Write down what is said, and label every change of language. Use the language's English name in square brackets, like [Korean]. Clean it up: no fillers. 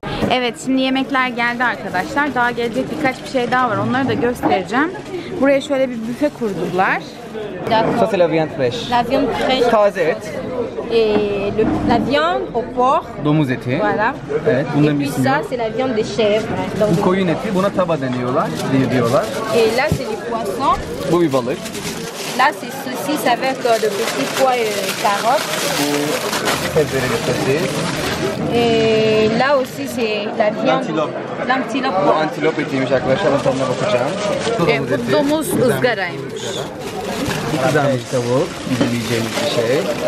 [Turkish] Evet, şimdi yemekler geldi arkadaşlar. Daha gelecek birkaç bir şey daha var. Onları da göstereceğim. Buraya şöyle bir büfe kurdular. [French] Ça c'est la viande fraîche. La viande fraîche. [Turkish] Taze et. [French] La viande au porc. [Turkish] Domuz eti. [French] Voilà. [Turkish] Evet, bunların bir ismi. [French] Et puis ça c'est la viande de chèvre. [Turkish] Bu koyun eti. Buna taba deniyorlar, diyorlar. [French] Et là c'est du poisson. [Turkish] Bu bir balık. [French] Là c'est saucisse avec de petits pois et carottes. [Turkish] Bu sebzeli patates. [French] Et là aussi c'est la viande. L'antilope. L'antilope. [Turkish] Antilope etiymiş arkadaşlar. Ben tadına bakacağım. Bu domuz ızgaraymış. Bir kızarmış tavuk. Bizim yiyeceğimiz bir şey.